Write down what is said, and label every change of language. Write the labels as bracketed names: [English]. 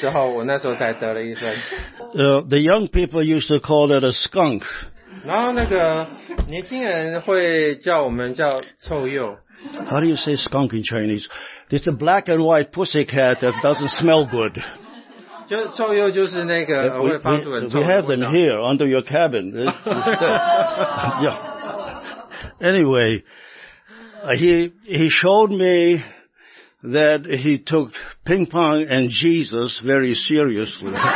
[Chinese] 然后等到他已经21分的时候，我那时候才得了一分。 [English] The young people used to call it a skunk. [Chinese] 然后那个年轻人会叫我们叫臭鼬。 [English] How do you say skunk in Chinese? It's a black and white pussy cat that doesn't smell good. [Chinese] 就臭鼬就是那个会发出很臭的味道。 [English] We have them here under your cabin. Yeah. Anyway, he showed me that he took ping pong and Jesus very seriously.